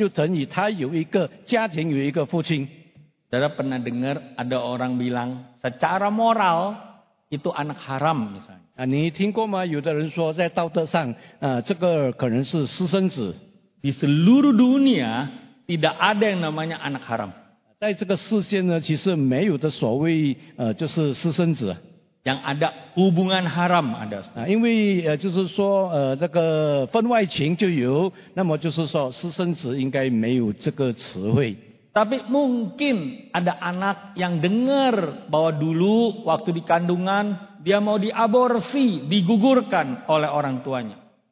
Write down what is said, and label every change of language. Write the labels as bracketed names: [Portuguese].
[Chinese] 那身为这种情况的孩子们呢，虽然好像没有了父母亲的那个关系和那个联络，但是有了上帝成为他的父，就等于他有一个家庭，有一个父亲。 [Indonesian] Saya pernah dengar ada orang bilang secara moral itu anak haram misalnya. [Chinese] 你听过吗？有的人说在道德上，这个可能是私生子。 [Indonesian] Di seluruh dunia tidak ada yang namanya anak haram. [Chinese] 在这个世界呢，其实没有的所谓，就是私生子。 [Indonesian] Yang ada hubungan haram ada. [Chinese] 因为就是说，这个分外情就有，那么就是说私生子应该没有这个词汇。 [Indonesian] Tapi mungkin ada anak yang dengar bahwa dulu waktu di kandungan dia mau diaborsi, digugurkan oleh orang tuanya.